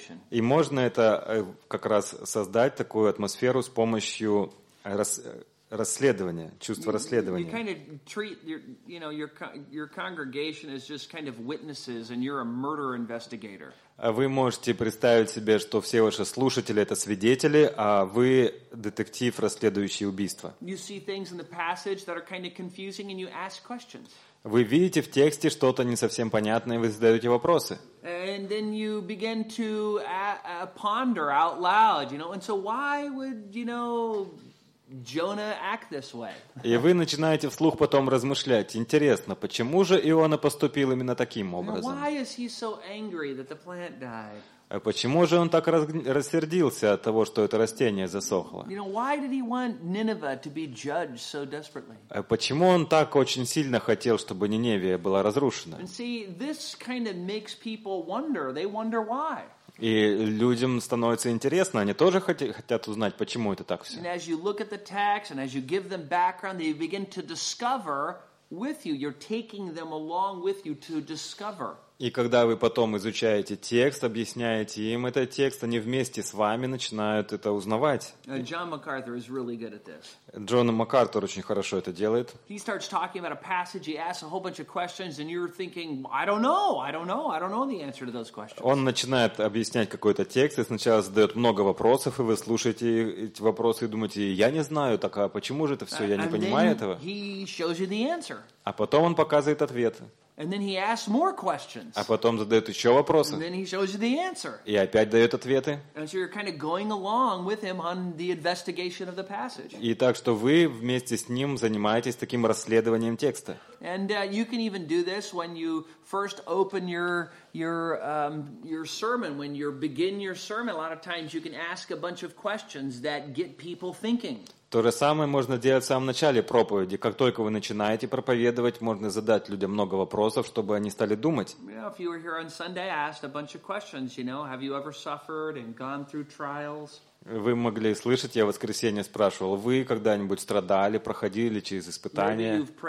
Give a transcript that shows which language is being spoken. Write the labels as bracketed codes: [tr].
[ru] И можно это как раз создать такую атмосферу с помощью расследования, чувства расследования. [en] You kind of treat your congregation as just kind of witnesses, and you're a murder investigator. [ru] Вы можете представить себе, что все ваши слушатели — это свидетели, а вы — детектив, расследующий убийство. [en] You see things in the passage that are kind of confusing, and you ask questions. [ru] Вы видите в тексте что-то не совсем понятное, и вы задаете вопросы. [en] And then you begin to ponder out loud, you know. And so why would, you know, Jonah act this way? [ru] И вы начинаете вслух потом размышлять: интересно, почему же Иона поступил именно таким образом? [en] Now, why is he so angry that the plant died? [ru] А почему же он так рассердился от того, что это растение засохло? [en] You know, why did he want Nineveh to be judged so desperately? [ru] А почему он так очень сильно хотел, чтобы Ниневия была разрушена? [en] And see, this kind of makes people wonder. They wonder why. [ru] И людям становится интересно, они тоже хотят узнать, почему это так все. [en] And as you look at the text, and as you give them background, they begin to discover with you. You're taking them along with you to discover. [ru] И когда вы потом изучаете текст, объясняете им этот текст, они вместе с вами начинают это узнавать. [en] John MacArthur is really good at this. [ru] Джон МакАртур очень хорошо это делает. [en] He starts talking about a passage, he asks a whole bunch of questions, and you're thinking, I don't know the answer to those questions. [ru] Он начинает объяснять какой-то текст, и сначала задает много вопросов, и вы слушаете эти вопросы и думаете, я не знаю, так а почему же это все, я не понимаю этого. [en] He shows you the answer. [ru] А потом он показывает ответ. [en] And then he asks more questions. [ru] А потом задает еще вопросы. [en] And then he shows you the answer. [ru] И опять дает ответы. [en] And so you're kind of going along with him on the investigation of the passage. [ru] И так что вы вместе с ним занимаетесь таким расследованием текста. [en] And you can even do this when you first open your sermon, when you begin your sermon. A lot of times you can ask a bunch of questions that get people thinking. [ru] То же самое можно делать в самом начале проповеди. Как только вы начинаете проповедовать, можно задать людям много вопросов, чтобы они стали думать. Вы могли слышать, я в воскресенье спрашивал, вы когда-нибудь страдали, проходили через испытания?